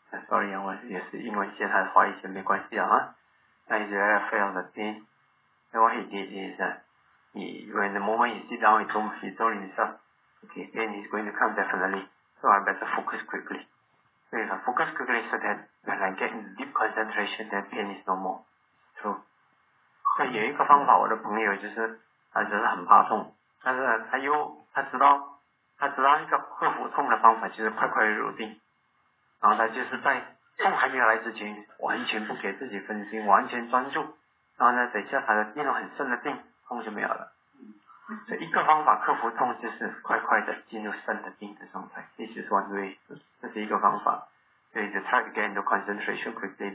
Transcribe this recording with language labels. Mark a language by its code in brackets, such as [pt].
[en] Sorry, [zh] 我也是英文系，他的华语系没关系啊。 [en] Now he's very afraid of the pain. And what he did is that when the moment he sit down, he told himself, okay, pain is going to come definitely, so I better focus quickly. So if I focus quickly so that when I get in deep concentration, then pain is no more. [zh] So, 那有一个方法，我的朋友就是他觉得很怕痛，但是他知道一个克服痛的方法就是快快入定，然后他就是在 痛还没有来之前，完全不给自己分心，完全专注。然后呢，等一下他的进入很深的定，痛就没有了。所以一个方法克服痛就是快快的进入深的定的状态。 [en] This is one way. [zh] 这是一个方法。 [en] So you try to get into concentration quickly.